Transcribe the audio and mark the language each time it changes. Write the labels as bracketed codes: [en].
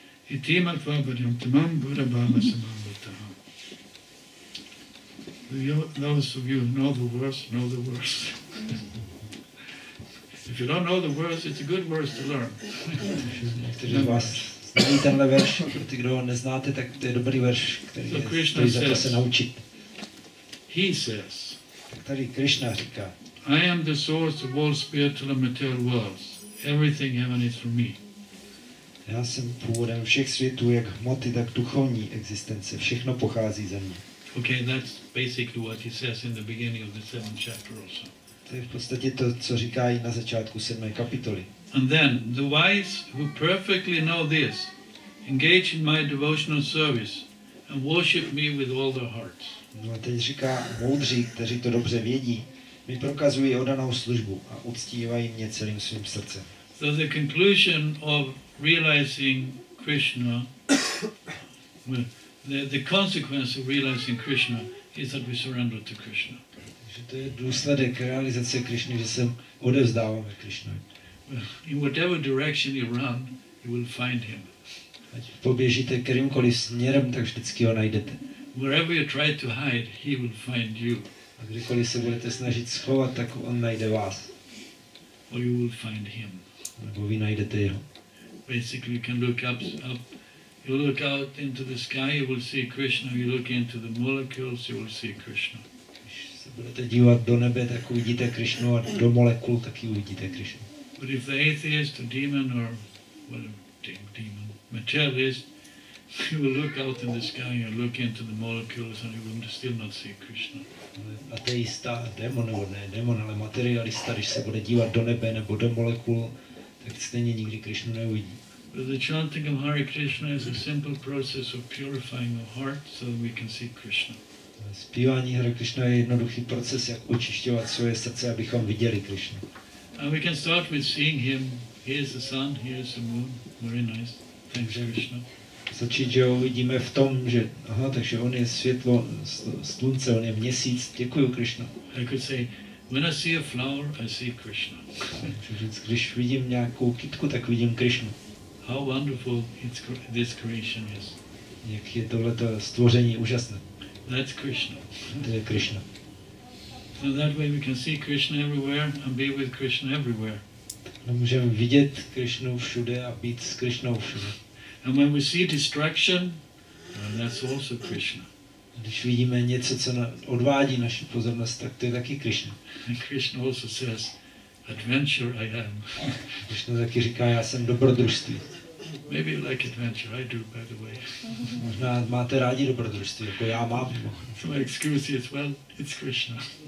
[sa] Itim atvabhadyam tamam buddha bhava samambhataham. [en] Those of you who know the verse, know the verse. If you don't know the verse, it's a good verse to learn. [cs] Někteří z vás znají tenhle verš, pro ty, kdo ho neznáte, tak to je dobrý verš, který je za to se naučit. [en] He says, [cs] tady Krishna říká, [en] I am the source of all spiritual and material worlds. Everything heaven is for me. [cs] Já jsem původem všech světů, jak hmoty, tak duchovní existence. Všechno pochází ze mě. [en] Okay, that's basically what he says in the beginning of the seventh chapter also. [cs] To je v podstatě to, co říká i na začátku 7. kapitoly. [en] And then the wise who perfectly know this engage in my devotional service and worship me with all their hearts. [cs] No a teď říká moudří, kteří to dobře vědí, mi prokazují oddanou službu a uctívají mě celým svým srdcem. [en] So the conclusion of realizing Krishna, the consequence of realizing Krishna is that we surrender to Krishna. [cs] Že to je důsledek realizace Krishny, že se odevzdáváme Krishna. [en] In whatever direction you run, you will find him. [cs] Ať poběžíte kterýmkoliv směrem, tak vždycky ho najdete. [en] Wherever you try to hide, he will find you. [cs] A kdykoliv se budete snažit schovat, tak on najde vás. [en] Or you will find him. [cs] Nebo vy najdete jeho. [en] Basically, you can look up. You look out into the sky, you will see Krishna. You look into the molecules, you will see Krishna. [cs] Když se budete dívat do nebe, tak uvidíte Krishnu, a do molekul taky uvidíte Krishnu. [en] But if the atheist, or demon, or whatever, demon, materialist, you will look out in the sky, you will look into the molecules, and you will still not see Krishna. [cs] Ateista, demon, nebo ne, demon, ale materialista, když se bude dívat do nebe nebo do molekul, tak stejně nikdy Krishnu neuvidí. [en] But the chanting of Hare Krishna is a simple process of purifying our heart so that we can see Krishna. [cs] Zpívání Hare Krishna je jednoduchý proces, jak očišťovat svoje srdce, abychom viděli Krishnu. [en] And we can start with seeing him. Here is the sun, here is the moon. Very nice. Thank you, Krishna. [cs] Začít, že ho vidíme v tom, že aha, takže on je světlo, slunce, on je měsíc. Děkuju, Krishna. [en] I could say, when I see a flower, I see Krishna. [cs] Když vidím nějakou kytku, tak vidím Krishnu. [en] How wonderful it's, this creation is. [cs] Jak je tohleto stvoření úžasné. [en] That's Krishna. [cs] To je Krishna. [en] So that way we can see Krishna everywhere and be with Krishna everywhere. [cs] No, můžeme vidět Krishnu všude a být s Krishnou všude. [en] And when we see distraction, well, that's also Krishna. [cs] Když vidíme něco, co odvádí naši pozornost, tak to je taky Krishna. [en] And Krishna also says, adventure I am. [cs] Krishna taky říká, já jsem dobrodružství. [en] Maybe you like adventure, I do, by the way. [cs] Možná máte rádi dobrodružství, jako já mám. [en] So my excuse is, well, it's Krishna.